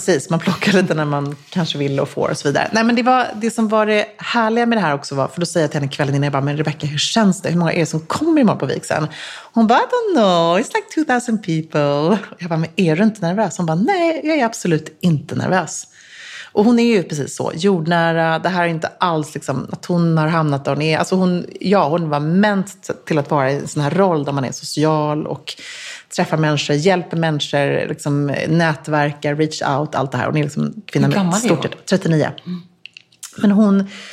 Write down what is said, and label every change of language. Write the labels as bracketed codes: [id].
[sv] man plockar lite när man kanske vill och får och så vidare. Nej, men det som var det härliga med det här också var, för då säger jag till henne kvällen innan, jag bara, men Rebecca, hur känns det? Hur många är det som kommer imorgon på vigseln? Hon bara, [en] I don't know, it's like 2000 people. [sv] Jag bara, men är du inte nervös? Hon bara, nej, jag är absolut inte nervös. Och hon är ju precis så, jordnära, det här är inte alls liksom att hon har hamnat där hon är. Alltså hon var ment till att vara i en sån här roll där man är social och träffar människor, hjälper människor, liksom nätverkar, reach out, allt det här. Hon är liksom kvinna med stort 39. Men hon